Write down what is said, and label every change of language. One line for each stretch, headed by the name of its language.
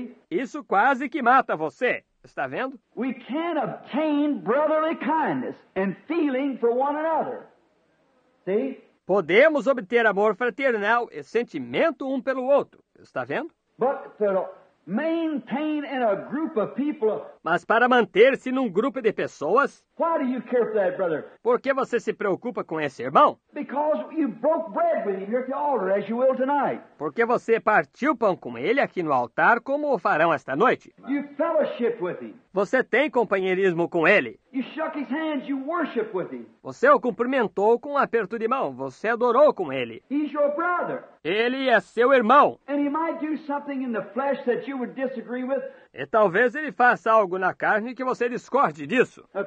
Portuguese: Isso quase que mata você. Está vendo?
English: We can't obtain brotherly kindness and feeling for one another. See?
Portuguese: Podemos obter amor fraternal e sentimento um pelo outro. Está vendo?
English: But to maintain in a group of people,
Portuguese: mas para manter-se num grupo de pessoas,
English: why do you care for that brother?
Portuguese: Por que você se preocupa com esse irmão?
English: Because you broke bread with him here at the altar, as you will tonight.
Portuguese: Porque você partiu pão com ele aqui no altar, como o farão esta noite.
English: You fellowship with him.
Portuguese: Você tem companheirismo com ele.
English: You shook his hands, you worship with him.
Portuguese: Você o cumprimentou com um aperto de mão. Você adorou com ele.
English: He's your brother.
Portuguese: Ele é seu irmão.
English: And he might do something in the flesh that you would disagree with.
Portuguese: E talvez ele faça algo na carne que você discorde disso.